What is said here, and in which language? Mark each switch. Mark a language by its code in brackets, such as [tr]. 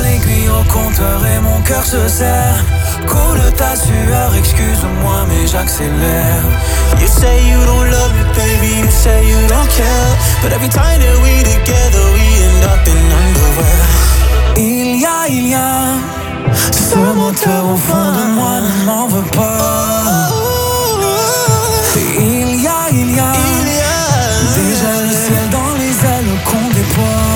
[fr] Et mon cœur se serre. Coule ta sueur, excuse-moi mais j'accélère. [en] You say you don't love me baby, you say you don't care. But every time that we together we end up in underwear. [fr] Il y a ce moteur au fond de moi ne m'en veut pas. Il y a déjà le ciel dans les ailes qu'on déploie.